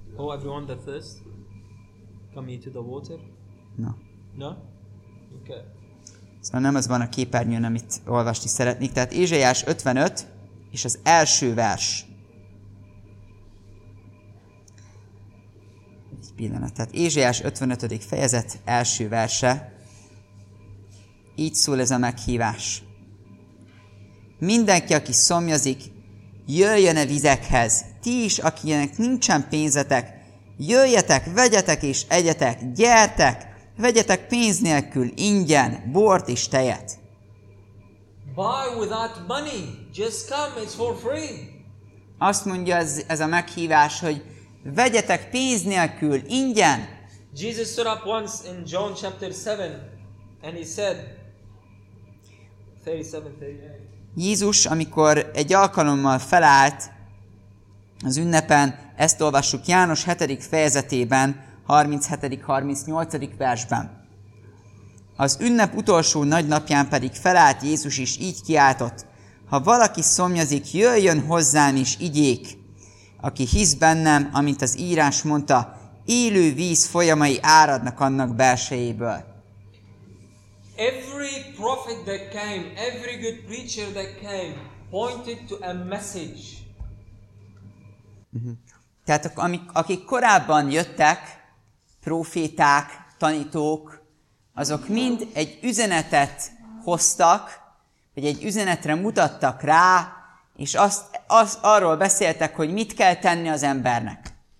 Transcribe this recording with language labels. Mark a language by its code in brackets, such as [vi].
[en] Oh, everyone that thirst, come ye to the water. No. No? Okay. [hu] Szóval nem az van a képernyőn, amit olvasni szeretnék. Tehát Ézsaiás 55, és az első vers. Egy pillanat. Tehát Ézsaiás 55. fejezet első verse. Így szól ez a meghívás. Mindenki, aki szomjazik, jöjjön-e vizekhez. Ti is, akinek nincsen pénzetek, jöjjetek, vegyetek és egyetek, gyertek, vegyetek pénz nélkül, ingyen, bort és tejet. [en] Buy without money, just come, it's for free. [hu] Azt mondja ez a meghívás, hogy vegyetek pénz nélkül, ingyen. [en] Jesus stood up once in John chapter 7, and he said, 37-38. [hu] Jézus, amikor egy alkalommal felállt az ünnepen, ezt olvassuk János 7. fejezetében, 37-38. Versben. Az ünnep utolsó nagy napján pedig felállt Jézus is így kiáltott, ha valaki szomjazik, jöjjön hozzám is igyék. Aki hisz bennem, amint az írás mondta, élő víz folyamai áradnak annak belsejéből. [en] Every prophet that came, every good preacher that came, pointed to a message. [hu] Tehát akik korábban jöttek, proféták, tanítók, azok mind egy üzenetet hoztak, vagy egy üzenetre mutattak rá, és azt arról beszéltek, hogy mit kell tenni az embernek.